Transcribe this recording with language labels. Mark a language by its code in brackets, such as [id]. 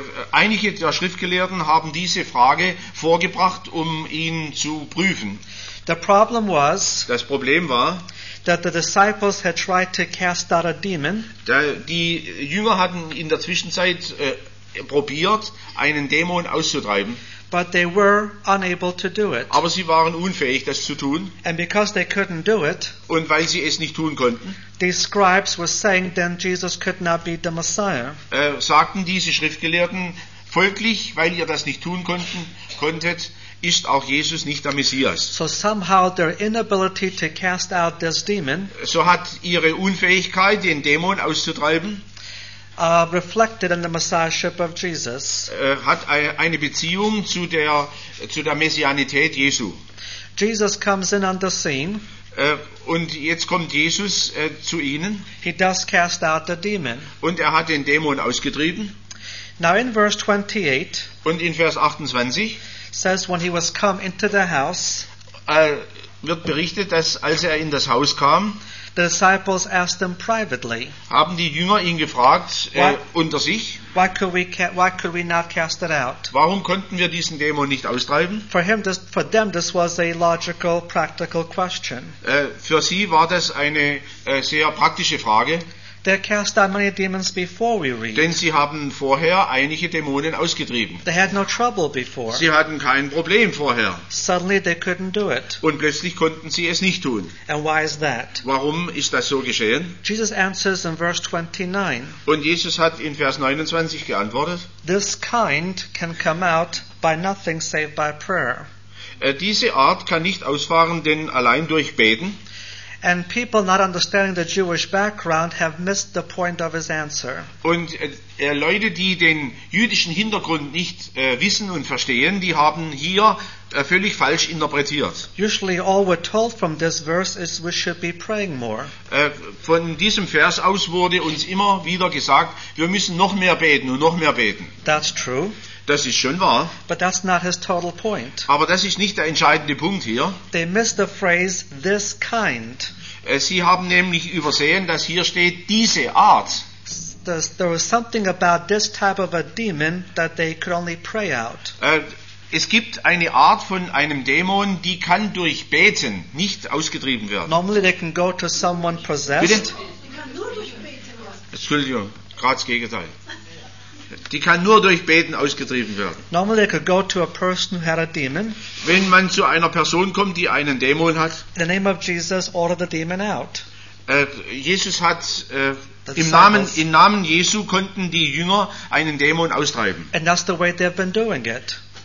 [de] Einige der Schriftgelehrten haben diese Frage vorgebracht, um ihn zu prüfen. [en] The problem was, [de] das Problem war, [en] that the disciples had tried to cast out a demon. [de] Die Jünger hatten in der Zwischenzeit probiert, einen Dämon auszutreiben. [en] But they were unable to do it. [de] Aber sie waren unfähig, das zu tun. [en] And because they couldn't do it, [de] und weil sie es nicht tun konnten, [en] these scribes were saying then Jesus could not be the Messiah. [de] Sagten diese Schriftgelehrten, folglich, weil ihr das nicht tun konntet, ist auch Jesus nicht der Messias. [en] So somehow their inability to cast out this demon, [de] so hat ihre Unfähigkeit, den Dämon auszutreiben, [en] reflected in the messiahship of Jesus, [de] hat eine Beziehung zu der Messianität Jesu. [en] Jesus comes in on the scene. [de] Und jetzt kommt Jesus zu ihnen. [en] He does cast out the demon. [de] Und er hat den Dämon ausgetrieben. [en] Now in verse 28. [de] Und in Vers 28. [en] Says when he was come into the house, [de] wird berichtet, dass als er in das Haus kam, [en] the disciples asked him privately, [de] haben die Jünger ihn gefragt, unter sich, [en] why could we not cast it out? [de] Warum konnten wir diesen Dämon nicht austreiben? [en] For them this was a logical, practical question. [de] Für sie war das eine sehr praktische Frage. [en] They cast out many demons before we read. [de] Denn sie haben vorher einige Dämonen ausgetrieben. [en] They had no trouble before. [de] Sie hatten kein Problem vorher. [en] Suddenly they couldn't do it. [de] Und plötzlich konnten sie es nicht tun. [en] And why is that? [de] Warum ist das so geschehen? [en] Jesus answers in verse 29. [de] Und Jesus hat in Vers 29 geantwortet. [en] This kind can come out by nothing save by prayer. [de] Diese Art kann nicht ausfahren, denn allein durch Beten. [en] And people not understanding the Jewish background have missed the point of his answer. [de] Und Leute, die den jüdischen Hintergrund nicht wissen und verstehen, die haben hier völlig falsch interpretiert. [en] Usually all we're told from this verse is we should be praying more. [de] Von diesem Vers aus wurde uns immer wieder gesagt, wir müssen noch mehr beten und noch mehr beten. [en] That's true. [de] Das ist schon wahr. [en] But that's not his total point. [de] Aber das ist nicht der entscheidende Punkt hier. [en] They missed the phrase this kind. [de] Sie haben nämlich übersehen, dass hier steht diese Art. [en] There was something about this type of a demon that they could only pray out. [de] Es gibt eine Art von einem Dämon, die kann durch Beten nicht ausgetrieben werden. [en] Normally they can go to someone possessed. [de] Bitte? Entschuldigung, gerade das Gegenteil. Die kann nur durch Beten ausgetrieben werden. [en] Normally they could go to a person who had a demon. [de] Wenn man zu einer Person kommt, die einen Dämon hat, [en] in the name of Jesus, order the demon out. [de] Jesus hat im Namen Jesu konnten die Jünger einen Dämon austreiben. [en] And that's the way they've been doing it.